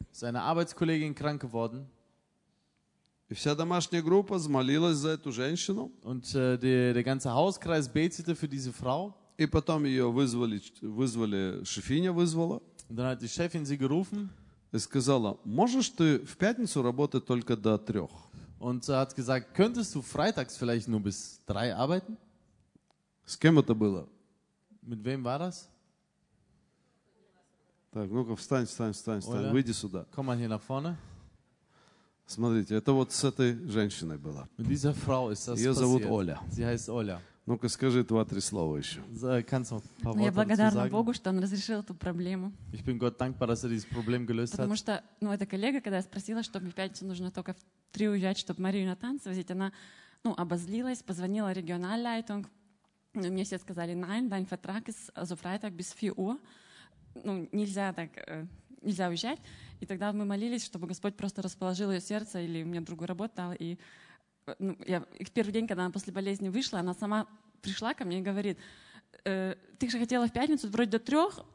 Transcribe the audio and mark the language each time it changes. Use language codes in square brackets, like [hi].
[de] Ist eine Arbeitskollegin krank geworden. [ru] И вся домашняя группа замолилась за эту женщину. [de] Und der ganze Hauskreis betete für diese Frau. [ru] И потом ее вызвали шефиня вызвала. [de] Und dann hat die Chefin sie gerufen. [ru] И сказала, можешь ты в пятницу работать только до трех? [de] Und hat gesagt, könntest du freitags vielleicht nur bis drei arbeiten? [ru] С кем это было? [de] Mit wem war das? [ru] Так, ну-ка, встань, Оля, выйди сюда. [de] Komm mal hier nach vorne. [ru] Смотрите, это вот с этой женщиной было. [de] Diese Frau ist das [ru] Ее зовут Оля. [de] Sie heißt Оля. [ru] Ну-ка, скажи два-три слова еще. Я благодарна Богу, что он разрешил эту проблему. [de] Ich bin Gott dankbar, dass er diese Problem gelöst [ru] Потому что, ну, эта коллега, когда я спросила, что мне в пятницу нужно только в три уезжать, чтобы Марию на танцы возить, она, ну, обозлилась, позвонила Regionalleitung. Ну, мне все сказали, [de] nein, dein Vertrag ist also Freitag bis 4 Uhr. [ru] Ну, нельзя так... нельзя уезжать. И тогда мы молились, чтобы Господь просто расположил ее сердце или мне другую работу дал. И, ну, я, и в первый день, когда она после болезни вышла, она сама пришла ко мне и говорит, ты же хотела в пятницу вроде до трех.